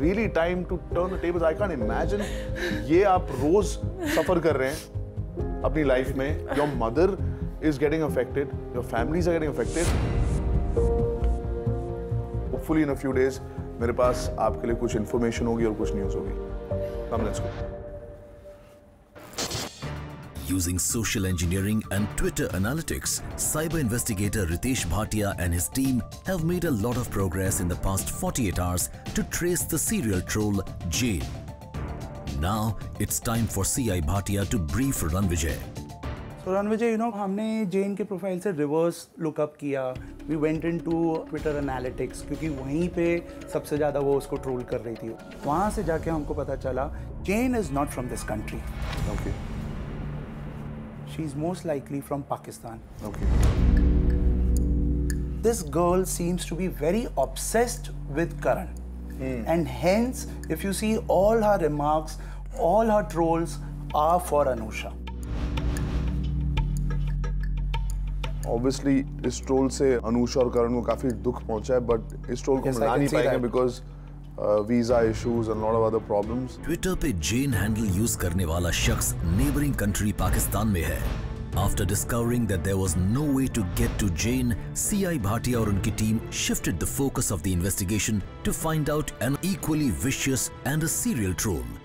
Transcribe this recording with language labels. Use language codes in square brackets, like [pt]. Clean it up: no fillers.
[en] really time to turn the tables I can't imagine [hi] ये आप रोज सफर कर रहे हैं अपनी लाइफ में. [en] Your mother is getting affected, your families are getting affected. [hi] Hopefully in a few days मेरे पास आपके लिए कुछ इंफॉर्मेशन होगी और कुछ न्यूज होगी. [en] Come let's go. Using social engineering and Twitter analytics, cyber investigator Ritesh Bhatia and his team have made a lot of progress in the past 48 hours to trace the serial troll Jail. Now it's time for CI Bhatia to brief Ranvijay. So Ranvijay, you know, [hi] हमने Jane के profile से reverse lookup किया. [en] We went into Twitter analytics [hi] क्योंकि वहीं पे सबसे ज़्यादा वो उसको troll कर रही थी. वहाँ से जाके हमको पता चला [en] Jane is not from this country. Okay. She's most likely from Pakistan. Okay. This girl seems to be very obsessed with Karan. Hmm. And hence, if you see all her remarks, all her trolls are for Anusha. [hi] Obviously, इस troll से अनुषा और करण को काफी दुख पहुंचा है, but इस troll को मना नहीं पा रहे हैं because [en] Visa issues and lot of other problems. [hi] Twitter पे जेन हैंडल यूज करने वाला शख्स नेबरिंग कंट्री पाकिस्तान में है. [en] after discovering that there was no way to get to Jen, CI Bhatia [hi] और उनकी team [en] Shifted the focus of the investigation to find out an equally vicious and a serial troll.